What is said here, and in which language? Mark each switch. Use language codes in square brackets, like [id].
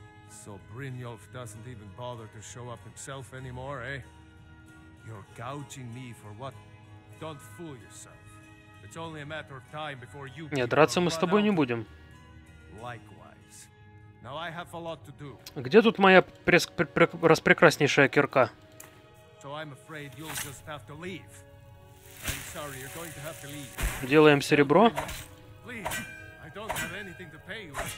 [en] So Brynjolf doesn't even bother to show up himself anymore, eh? You're gouging me for what? Don't fool yourself. It's only a matter of time before you... [ru] Нет, драться мы с тобой не будем. [en] Likewise. Now I have a lot to do. [ru] Где тут моя распрекраснейшая кирка? [en] So I'm afraid you'll just have to leave. I'm sorry, you're going to have to leave. [ru] Делаем серебро. [en] Please, I don't have anything to pay you.